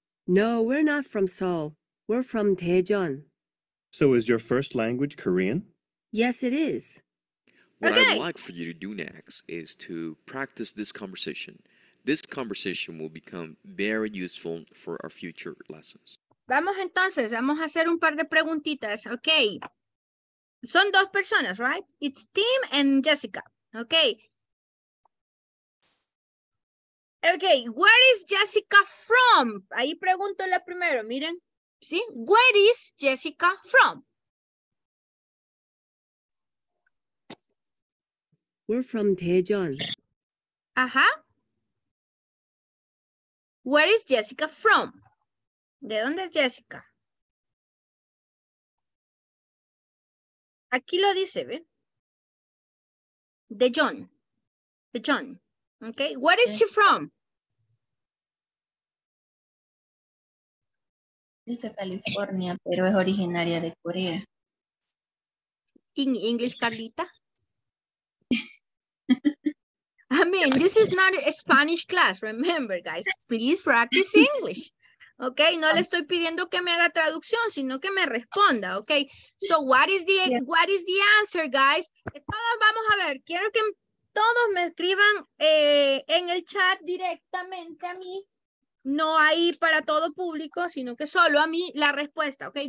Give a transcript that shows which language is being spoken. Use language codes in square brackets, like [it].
[en] No, we're not from Seoul. We're from Daejeon. So is your first language Korean? Yes, it is. What okay. I'd like for you to do next is to practice this conversation. This conversation will become very useful for our future lessons. [es] Vamos entonces, vamos a hacer un par de preguntitas. [en] Okay. [es] Son dos personas, [en] right? It's Tim and Jessica. Okay. Okay, where is Jessica from? [es] Ahí pregunto la primero, miren. ¿Sí? [en] Where is Jessica from? We're from Daejeon. Ajá. Where is Jessica from? [es] ¿De dónde es Jessica? Aquí lo dice, ¿ve? [en] Daejeon. Daejeon. Okay. Where is she from? [es] Es de California, pero es originaria de Corea. [en] In English, Carlita. I mean, this is not a Spanish class. Remember, guys, please practice English. [es] Okay, no le estoy pidiendo que me haga traducción, sino que me responda, okay? [en] So, what is the answer, guys? [es] Todos vamos a ver. Quiero que todos me escriban en el chat directamente a mí. No ahí para todo público, sino que solo a mí la respuesta, okay?